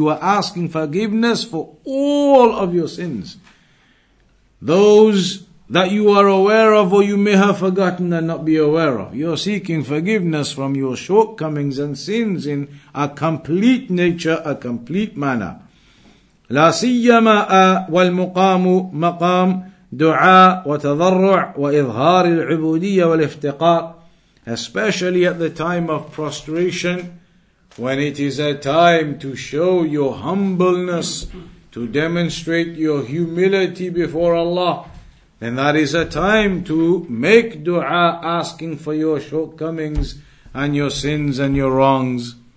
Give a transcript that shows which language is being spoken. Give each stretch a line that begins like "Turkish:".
English: You are asking forgiveness for all of your sins. Those that you are aware of or you may have forgotten and not be aware of. You're seeking forgiveness from your shortcomings and sins in a complete nature, a complete manner.
Arabic: لا سيما والمقام مقام دعاء وتضرع وإظهار العبودية والافتقار.
English: Especially at the time of prostration, when it is a time to show your humbleness, to demonstrate your humility before Allah, then that is a time to make dua asking for your shortcomings and your sins and your wrongs.